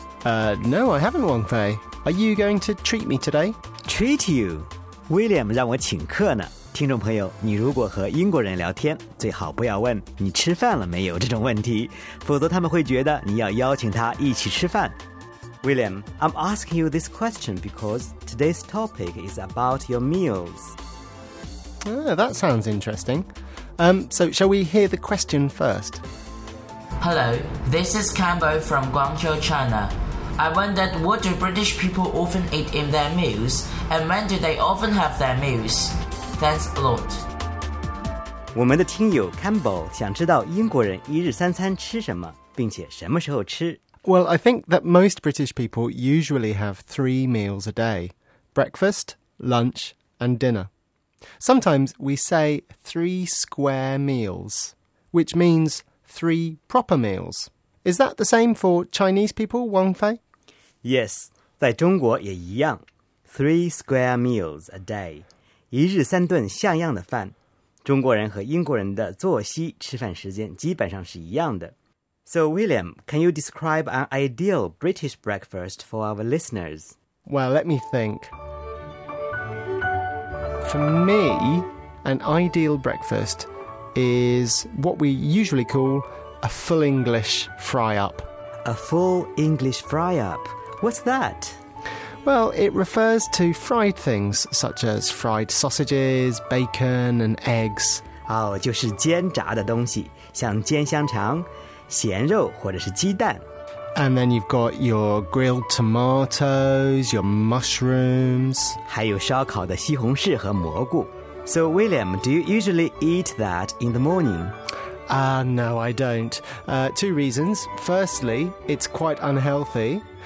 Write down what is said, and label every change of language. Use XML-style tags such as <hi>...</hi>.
<en>No, I haven't, Wang Fei. Are you going to treat me today? Treat you?</en> <zh>William 让我请客呢。听众朋友，你如果和英国人聊天，最好不要问你吃饭了没有这种问题，否则他们会觉得你要邀请他一起吃饭。</zh> <en>William, I'm asking you this question because today's topic is about your meals. That sounds interesting. So shall we hear the question first? Hello, this is Cambo from Guangzhou, China. I wondered what do British people often eat in their meals, and when do they often have their meals? Thanks a lot.</en> <zh>我们的听友 Cambo 想知道英国人一日三餐吃什么，并且什么时候吃。</zh> <en>Well, I think that most British people usually have three meals a day. Breakfast, lunch, and dinner. Sometimes we say three square meals, which means... three proper meals. Is that the same for Chinese people, Wang Fei? Yes,</en> <zh>在中国也一样。</zh> <en>Three square meals a day.</en> <zh>一日三顿像样的饭。中国人和英国人的作息吃饭时间基本上是一样的。</zh> <en>So, William, can you describe an ideal British breakfast for our listeners? Well, let me think. For me, an ideal breakfast... is what we usually call a full English fry-up. A full English fry-up? What's that? Well, it refers to fried things, such as fried sausages, bacon and eggs.</en> <zh>哦、oh, ，就是煎炸的东西，像煎香肠、咸肉或者是鸡蛋。</zh> <en>And then you've got your grilled tomatoes, your mushrooms.</en> <zh>还有烧烤的西红柿和蘑菇。</zh> <en>So, William, do you usually eat that in the morning? No, I don't. Two reasons. Firstly, it's quite unhealthy.</en>